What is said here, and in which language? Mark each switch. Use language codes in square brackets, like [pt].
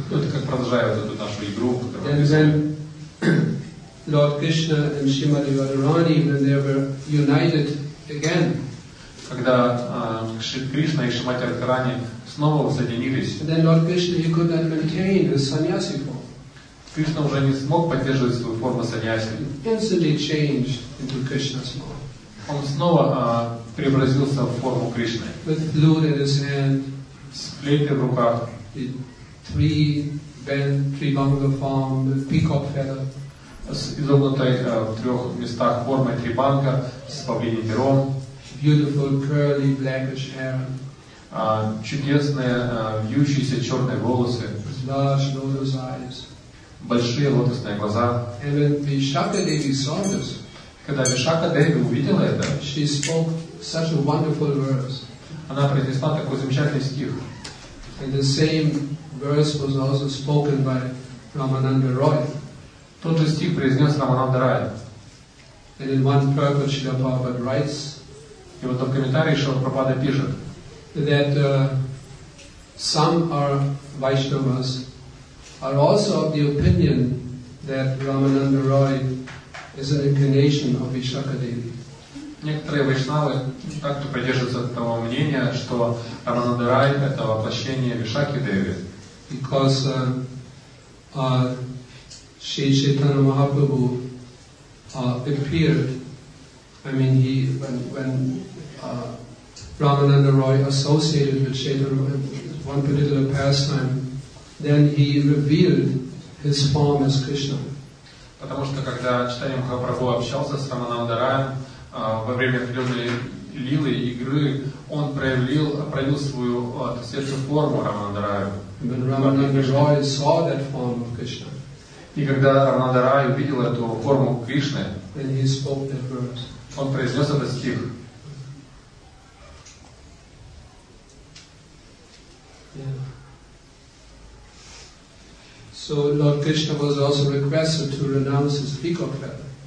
[ru] Это как продолжает эту нашу игру, которую. [en] And then Lord Krishna and Srimati Radharani, when they were united again. [ru] Когда Кришна и Шримати Радхарани снова соединились. [en] And then Lord Krishna, he could not maintain his sannyasi form. [ru] Кришна уже не смог поддерживать свою форму саньяси. [en] Instantly changed into Krishna's form. [ru] Он снова преобразился в форму Кришны. [en] With flute in his hand. [ru] С флейтой в руках. [en] The three bend, three banga form, the peacock feather. [ru] С изогнутой в трех местах формой три банга, с павлиньим пером. [en] Beautiful curly blackish hair. [ru] Чудесные вьющиеся черные волосы. [en] With large lotus eyes. [ru] Большие лотосные глаза. [en] And when Vishakha Devi saw this, [ru] когда Vishakha Devi увидела это, [en] she spoke such a wonderful verse. [ru] Она произнесла такой замечательный стих. [en] And the same verse was also spoken by Ramananda Roy. [ru] Тот же стих произнес Рамананда Рай. [en] And in one purport Srila Prabhupada writes, [ru] и вот в комментарии Шрила Прабхупада пишет, [en] that some are Vaishnavas are also of the opinion that Ramananda Roy is an incarnation of Vishakha Devi. [ru] Некоторые вайшнавы так-то придерживаются того мнения, что Рамананда Рай — это воплощение Вишакхи Деви. [en] Because Shri Chaitanya Mahaprabhu appeared, when Ramananda Roy associated with Chaitanya Mahaprabhu one particular pastime, then he revealed his form as Krishna. [ru] Потому что когда Чайтанья Махапрабху общался с Рамананда Раем во время определенной лилы игры, он проявил свою светлую форму Рамананда Раю. [en] When Ramananda Roy saw that form of Krishna, [ru] и когда Рамананда Рай увидел эту форму Кришны, [en] then he spoke that verse. [ru] Он произнес этот стих. [en] So Lord Krishna was also requested to renounce his peacock feather.